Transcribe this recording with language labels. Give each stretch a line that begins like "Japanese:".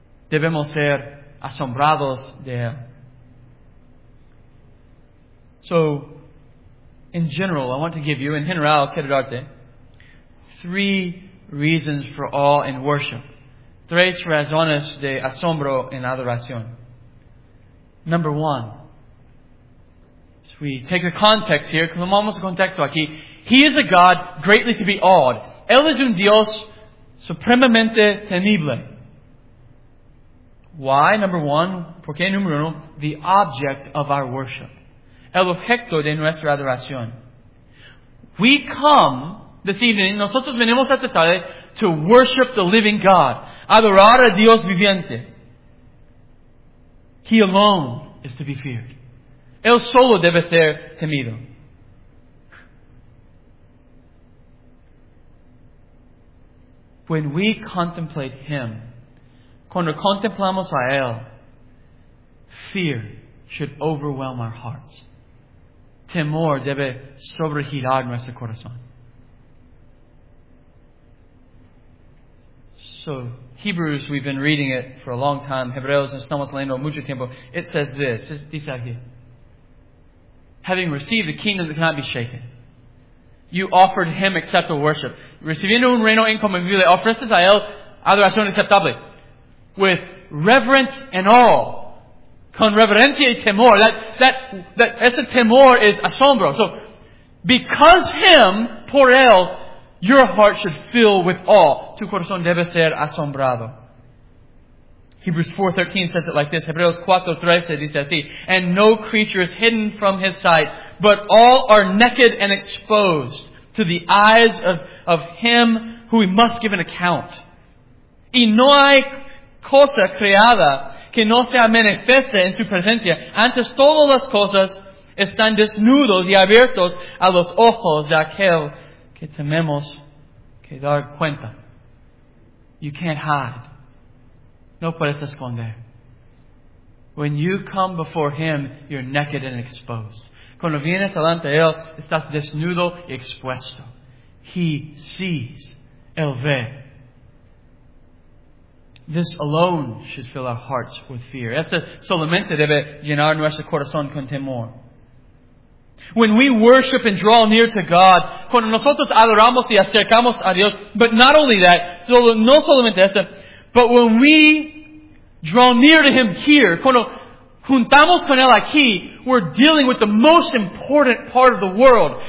Spanish: Debemos ser asombrados de Él.
English: So, in general, I want to give you, in general,
Spanish: quiero darte,
English: three reasons for awe in worship.
Spanish: Tres razones de asombro en adoración.
English: Number one. So we take a context here.
Spanish: Tomamos el contexto aquí.
English: He is a God greatly to be awed.
Spanish: Él es un Dios supremamente temible.
English: Why? Number one.
Spanish: ¿Por qué? Número uno.
English: The object of our worship.
Spanish: El objeto de nuestra adoración.
English: We come this evening,
Spanish: nosotros venimos esta tarde,
English: to worship the living God.
Spanish: Adorar a Dios viviente.
English: He alone is to be feared.
Spanish: Él solo debe ser temido.
English: When we contemplate Him,
Spanish: cuando contemplamos a Él,
English: fear should overwhelm our hearts.
Spanish: Temor debe sobregirar nuestro corazón.
English: So, Hebrews, we've been reading it for a long time.
Spanish: Hebreos, estamos leyendo mucho tiempo.
English: It says this,
Spanish: dice aquí.
English: Having received a kingdom that cannot be shaken, you offered Him acceptable worship.
Spanish: Recibiendo un reino incomovible, ofreces a Él adoración aceptable.
English: With reverence and awe.
Spanish: Con reverencia y temor. Ese temor is asombro.
English: So, because Him,
Spanish: por Él, your heart should fill with awe. Tu corazón debe ser asombrado.
English: Hebrews 4:13 says it like this.
Spanish: Hebreos 4:13 dice así.
English: And no creature is hidden from His sight, but all are naked and exposed to the eyes of Him who we must give an account.
Spanish: Y no hay cosa creada que no sea manifiesta en su presencia. Antes todas las cosas están desnudos y abiertos a los ojos de aquel que tenemos que dar cuenta.
English: You can't hide.
Spanish: No puedes esconder.
English: When you come before Him, you're naked and exposed.
Spanish: Cuando vienes delante de Él, estás desnudo y expuesto.
English: He sees.
Spanish: Él ve.
English: This alone should fill our hearts with fear.
Spanish: Eso solamente debe llenar nuestro corazón con temor.
English: When we worship and draw near to God,
Spanish: cuando nosotros adoramos y acercamos a Dios,
English: but not only that,
Spanish: no solamente eso,
English: but when we draw near to Him here,
Spanish: cuando juntamos con Él aquí,
English: we're dealing with the most important part of the world.